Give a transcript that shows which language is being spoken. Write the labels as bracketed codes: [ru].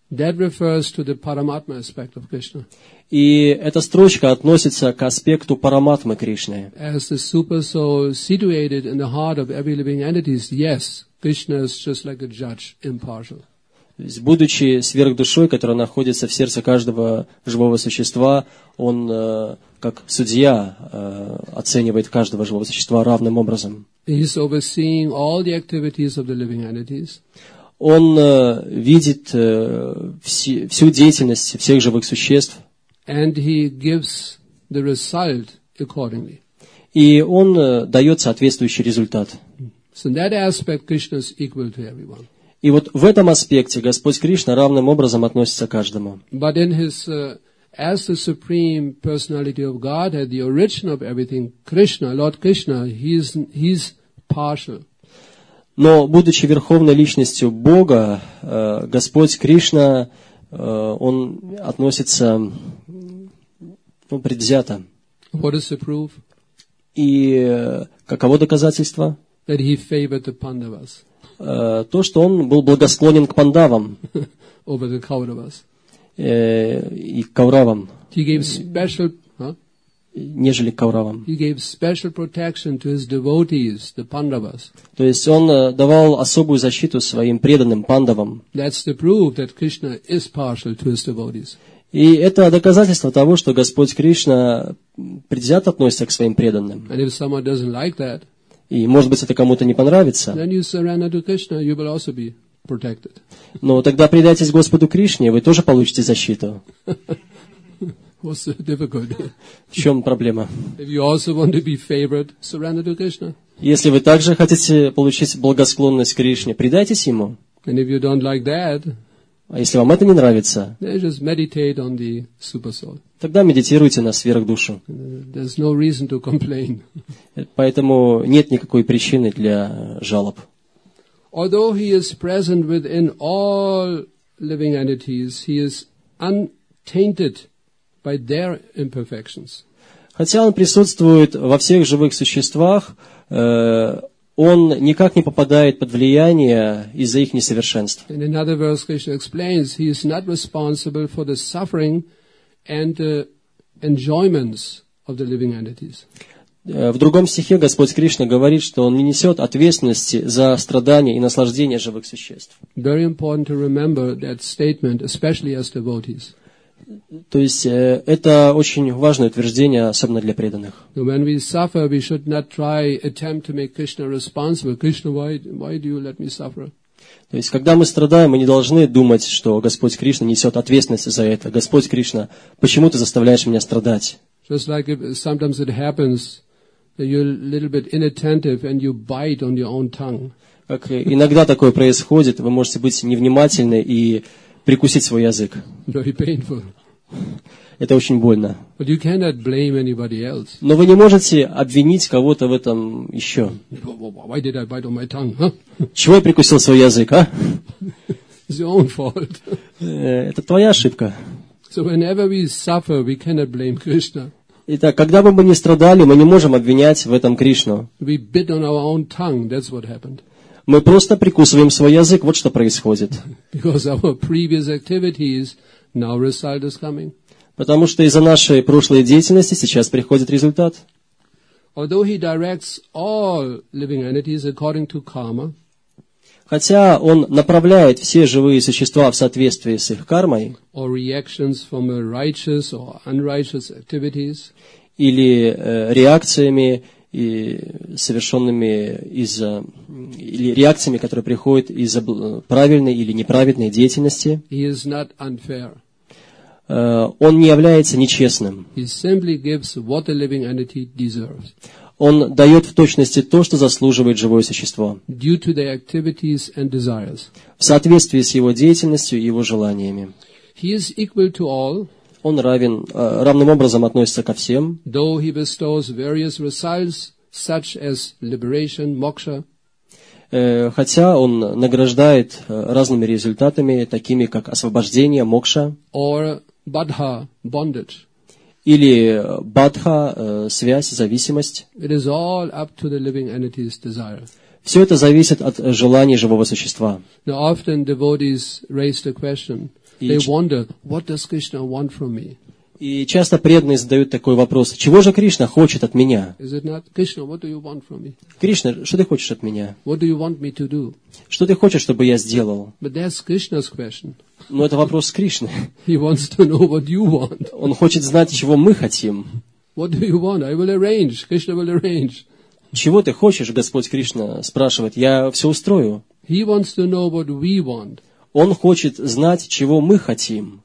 [en] That refers to the Paramatma aspect of Krishna. [ru] И эта строчка относится к аспекту Параматмы Кришны. [en] As the super soul situated in the heart of every living entity, yes, Krishna is just like a judge, impartial. [ru] Будучи сверхдушой, которая находится в сердце каждого живого существа, он как судья оценивает каждого живого существа равным образом. [en] He is overseeing all the activities of the living entities. [ru] Он видит всю деятельность всех живых существ. [en] And he gives the result accordingly. [ru] И он дает соответствующий результат. [en] So in that aspect, Krishna is equal to everyone. [ru] И вот в этом аспекте Господь Кришна равным образом относится к каждому. [en] But in his, as the supreme personality of Godhead, the origin of everything, Krishna, Lord Krishna, he's partial. [ru] Но будучи верховной личностью Бога, Господь Кришна, он относится предвзято. [en] What is the proof? [ru] И каково доказательство? [en] That he favored the Pandavas. [ru] То, что он был благосклонен к пандавам [en] over the Kauravas. [ru] И к Кауравам. [en] He gave special, huh? [ru] Нежели к Кауравам. [en] He gave special protection to his devotees, the Pandavas. [ru] То есть он давал особую защиту своим преданным пандавам. [en] That's the proof that Krishna is partial to his devotees. [ru] И это доказательство того, что Господь Кришна предвзято относится к своим преданным. [en] And if someone doesn't like that, [ru] и, может быть, это кому-то не понравится. [en] Then you surrender to Krishna, you will also be protected. [ru] Но тогда предайтесь Господу Кришне, вы тоже получите защиту. [en] What's the difficulty? [ru] В чем проблема? [en] If you also want to be favored, surrender to Krishna. [ru] Если вы также хотите получить благосклонность Кришне, предайтесь Ему. [en] And if you don't like that, [ru] а если вам это не нравится, [en] then just meditate on the super soul. [ru] Тогда медитируйте на сверхдушу. [en] There's no reason to complain. [ru] Поэтому нет никакой причины для жалоб. [en] Although he is present within all living entities, he is untainted by their imperfections. [ru] Хотя он присутствует во всех живых существах, он никак не попадает под влияние из-за их несовершенств. [en] In another verse, Krishna explains, he is not responsible for the suffering and the enjoyments of the living entities. [ru] В другом стихе Господь Кришна говорит, что он не несет ответственности за страдания и наслаждения живых существ. [en] Very important to remember that statement, especially as devotees. [ru] То есть это очень важное утверждение, особенно для преданных. [en] When we suffer, we should not try attempt to make Krishna responsible. Krishna, why do you let me suffer? [ru] То есть, когда мы страдаем, мы не должны думать, что Господь Кришна несет ответственность за это. Господь Кришна, почему ты заставляешь меня страдать? [en] Just like sometimes it happens that you're a little bit inattentive and you bite on your own tongue. [ru] Как иногда такое происходит, вы можете быть невнимательны и прикусить свой язык. [en] Very painful. [ru] Это очень больно. [en] But you cannot blame anybody else. [ru] Но вы не можете обвинить кого-то в этом еще. [en] Why did I bite on my tongue, huh? [ru] Чего я прикусил свой язык, а? [en] It's your own fault. [ru] Это твоя ошибка. [en] So whenever we suffer, we cannot blame Krishna. [ru] Итак, когда бы мы ни страдали, мы не можем обвинять в этом Кришну. [en] We bit on our own tongue, that's what happened. [ru] Мы просто прикусываем свой язык, вот что происходит. [en] Because our previous activities, now result is coming. [ru] Потому что из-за нашей прошлой деятельности сейчас приходит результат. [en] Although he directs all living entities according to karma, [ru] хотя он направляет все живые существа в соответствии с их кармой, [en] or reactions from righteous or unrighteous activities, [ru] или реакциями, и совершенными из-за или реакциями, которые приходят из-за правильной или неправильной деятельности. [en] He is not unfair. [ru] Он не является нечестным. [en] He simply gives what a living entity deserves. [ru] Он дает в точности то, что заслуживает живое существо. [en] Due to their activities and desires. [ru] В соответствии с его деятельностью и его желаниями. [en] He is equal to all. [ru] Он равен, равным образом относится ко всем. [en] Though he bestows various results, such as liberation, moksha. [ru] Хотя он награждает разными результатами, такими как освобождение, мокша. [en] Or badha, bondage. [ru] Или бадха, связь, зависимость. [en] It is all up to the living entity's desire. [ru] Все это зависит от желаний живого существа. [en] Now often devotees raise the question. They wonder, what does Krishna want from me? [ru] И часто преданные задают такой вопрос: чего же Кришна хочет от меня? [en] Is it not Krishna? What do you want from me? [ru] Кришна, что ты хочешь от меня? [en] What do you want me to do? [ru] Что ты хочешь, чтобы я сделал? [en] But that's Krishna's question. [ru] Но это вопрос Кришны. [en] He wants to know what you want. [ru] Он хочет знать, чего мы хотим. [en] What do you want? I will arrange. Krishna will arrange. [ru] Чего ты хочешь, Господь Кришна спрашивает? Я все устрою. [en] He wants to know what we want. [ru] Он хочет знать, чего мы хотим.